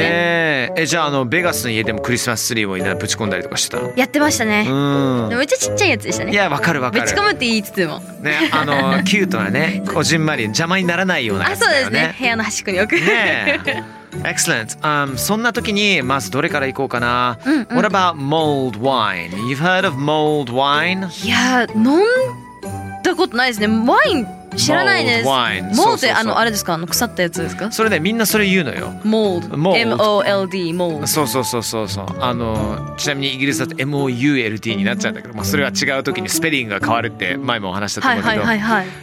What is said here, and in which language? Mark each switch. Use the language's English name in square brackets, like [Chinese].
[Japanese] ねえ、じゃあベガスの家でもクリスマスツリーをぶち込んだりとかしてたの？やってましたね。めっちゃちっちゃいやつでしたね。いや、わかるわかる。ぶち込むって言いつつもね、キュートなね、こじんまり邪魔にならないようなやつだよ、ね、あ、そうですね、部屋の端っこに置くねえ。 [English] Excellent. [Japanese] そんな時にまずどれから行こうかな。 [English] What about mulled wine? You've heard of mulled wine? [Japanese] いや、飲んことないですね。ワイン知らないです。モールドワイン。モールドってあのあれですか、あの腐ったやつですか。それね、みんなそれ言うのよ。モールド。モールド。 M-O-L-D。 モールド。そうそうそうそうそう。あのちなみにイギリスだと M-O-U-L-D になっちゃうんだけど、まあそれは違う時にスペリングが変わるって前もお話したと思うけど。はいはいはいはい。